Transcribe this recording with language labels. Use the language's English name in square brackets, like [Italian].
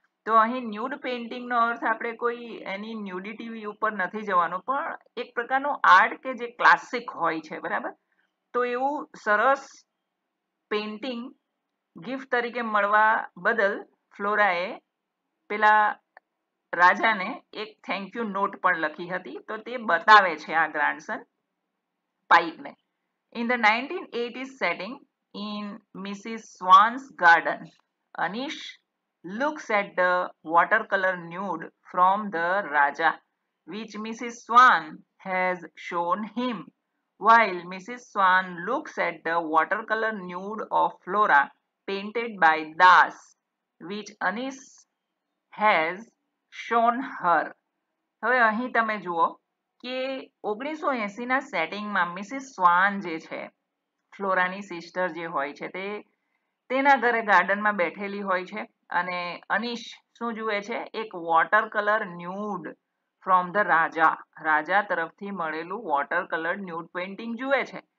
[Gujarati] તો અહીં ન્યૂડ પેઇન્ટિંગનો અર્થ આપણે કોઈ એની ન્યૂડિટી ઉપર નથી જવાનો, પણ એક પ્રકારનો આર્ટ કે જે ક્લાસિક હોય છે, બરાબર. તો એવું સરસ પેઇન્ટિંગ ગિફ્ટ તરીકે મળવા બદલ ફ્લોરાએ પેલા રાજાને એક થેન્ક યુ નોટ પણ લખી હતી. તો તે બતાવે છે આ ગ્રાન્ડસન પાઇકને. [English] In the 1980s setting in Mrs Swan's garden, Anish looks at the watercolor nude from the Raja, which Mrs. Swan has shown him. While Mrs. Swan looks at the watercolor nude of Flora painted by Das, which Anish has shown her. [Gujarati] હવે અહીં તમે જુઓ કે 1980 ના સેટિંગમાં Mrs સ્વાન જે છે, ફ્લોરાની sister જે હોય છે, તેના ઘરે ગાર્ડનમાં બેઠેલી હોય છે અને અનીશ શું જુએ છે, [English] એક water colour nude from the Raja, [Gujarati] રાજા તરફથી મળેલું વોટર કલર ન્યૂડ પેઇન્ટિંગ જુએ છે.